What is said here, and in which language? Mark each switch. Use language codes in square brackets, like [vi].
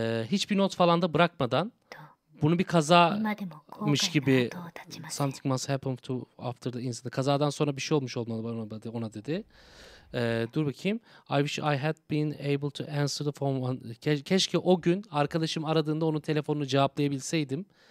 [tr] Hiçbir not falan da bırakmadan. Bunu bir kazamış gibi, [en] something must happen to after the incident. [tr] Kazadan sonra bir şey olmuş olmalı ona dedi. Dur bakayım. [en] I wish I had been able to answer the phone. [tr] Keşke o gün arkadaşım aradığında onun telefonunu cevaplayabilseydim.